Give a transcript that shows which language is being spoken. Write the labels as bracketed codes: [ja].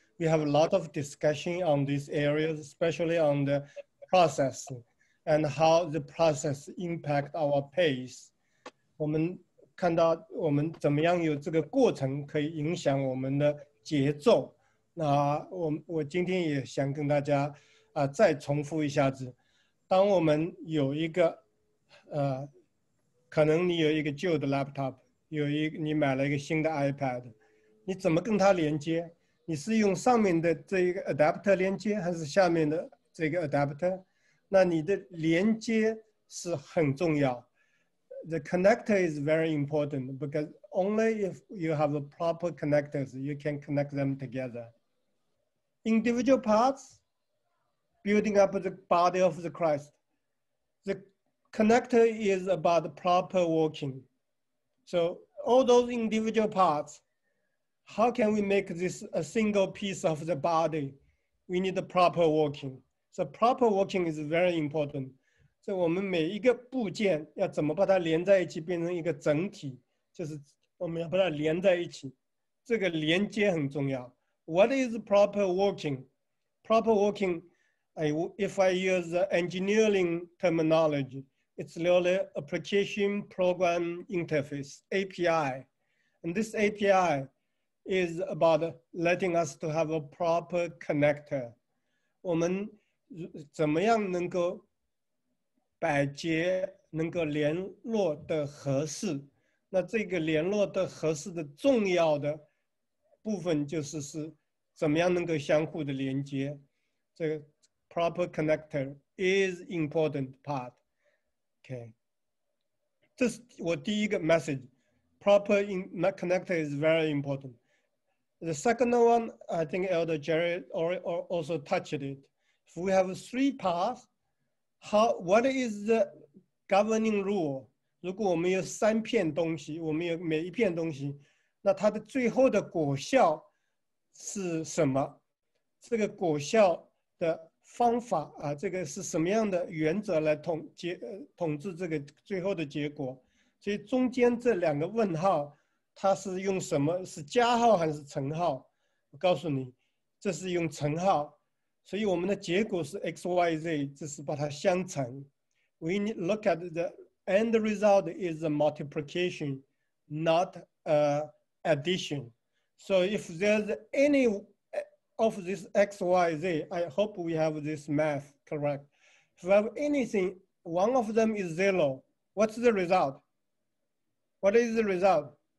[en] We have a lot of discussion on these areas, especially on the process and how the process impact our pace. [zh] 我们看到我们怎么样有这个过程可以影响我们的节奏。那我今天也想跟大家再重复一下子。当我们有一个可能你有一个旧的 laptop, 有一你买了一个新的 iPad, 你怎么跟它连接？你是用上面的这一个 adapter 连接，还是下面的这个 adapter? 那你的连接是很重要。 [en] The connector is very important because only if you have a proper connectors, you can connect them together. Individual parts, building up the body of the Christ. The connector is about the proper working. So all those individual parts, how can we make this a single piece of the body? We need the proper working. So proper working is very important. [zh] 所以我们每一个部件要怎么把它连在一起变成一个整体，就是我们要把它连在一起，这个连接很重要。 [en] What is proper working? Proper working, if I use the engineering terminology, it's really application program interface, API. And this API is about letting us to have a proper connector. [zh] 我们怎么样能够百节能够联络的合适？那这个联络的合适的重要的部分就是怎么样能够相互的连接，这个 [en] proper connector is important part. [zh] OK, 这是我第一个 message. [en] Proper connector is very important. The second one, I think Elder Jerry also touched it. If we have three parts, what is the governing rule? [zh] 如果我们有三片东西，我们有每一片东西，那它的最后的果效是什么？这个果效的方法啊，这个是什么样的原则来统治这个最后的结果？所以中间这两个问号，它是用什么？是加号还是乘号？我告诉你，这是用乘号，所以我们的结果是 x y z， 这是把它相乘。 [en] We look at the And the result is a multiplication, not addition. So if there's any of this X, Y, Z, I hope we have this math correct. If we have anything, one of them is zero. What's the result? What is the result?